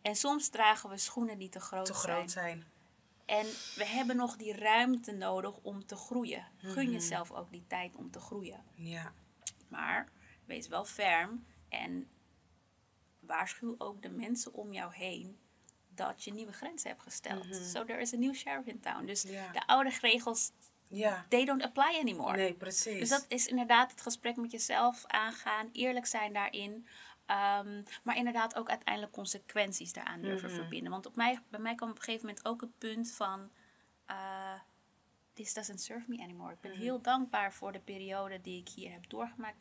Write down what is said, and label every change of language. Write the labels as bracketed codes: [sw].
[nl] En soms dragen we schoenen die te groot zijn. En we hebben nog die ruimte nodig om te groeien. Gun jezelf ook die tijd om te groeien. Ja. Maar wees wel ferm en waarschuw ook de mensen om jou heen dat je nieuwe grenzen hebt gesteld. [en] So there is a new sheriff in town. [nl] Dus de oude regels, [en] they don't apply anymore. [nl] Nee, precies. Dus dat is inderdaad het gesprek met jezelf aangaan, eerlijk zijn daarin. Maar inderdaad ook uiteindelijk consequenties daaraan durven verbinden. Want bij mij kwam op een gegeven moment ook het punt van... [en] this doesn't serve me anymore. [nl] Ik ben heel dankbaar voor de periode die ik hier heb doorgemaakt.